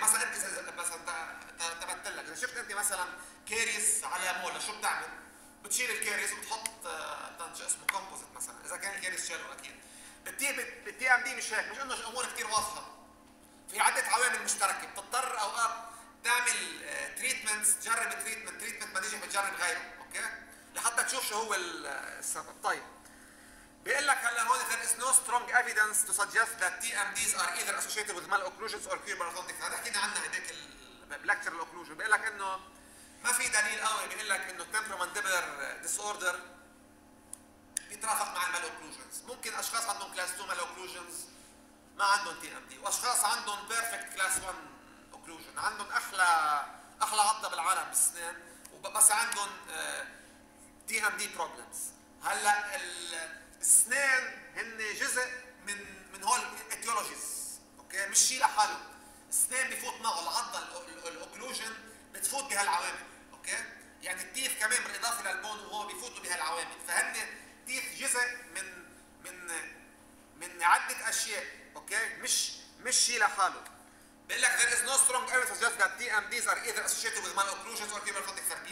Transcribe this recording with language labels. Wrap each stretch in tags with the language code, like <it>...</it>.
<ar>مثلا انت مثلا تبت لك اذا شفت انت مثلا كاريس على مولا شو بتعمل؟ بتشيل الكاريس وبتحط تنج اسمه كومبوزيت مثلا اذا كان الكاريس شاله اكيد. بالتي ام دي مش هيك، مش انه امور كثير واضحه. في عده عوامل مشتركه بتضطر اوقات تعمل تريتمنت، تجرب تريتمنت ما نجح بتجرب غيره، اوكي؟ لحتى تشوف شو هو السبب. طيب بيقول لك هلا هون</ar> <en>there is no strong evidence to suggest that TMDs are either associated with mal occlusions or cure malodontic.</en> <ar>هذا حكينا عنه هذيك البلاكتر الاوكلوجن. بيقول لك انه ما في دليل قوي بيقول لك انه temporomandibular disorder بيترافق مع المال occlusions. ممكن اشخاص عندهم class 2 mal occlusions ما عندهم TMD, واشخاص عندهم perfect class 1 occlusion, عندهم احلى عضه بالعالم بالسنان بس عندهم TMD problems. هلا السنان هن جزء من هول الايتيولوجيز, اوكي, مش شيء لحاله. السنان بفوت معه العضه الاوكلوجن بتفوت بهالعوامل, اوكي, يعني التيف كمان بالاضافه للبون وهو بفوتوا بهالعوامل. فهن التيف جزء من من من عده اشياء, اوكي, مش شيء لحاله. بقول لك</ar> <en>there is no strong evidence suggests that TMDs are either associated with mal occlusions or cure malodontic therapy.</en>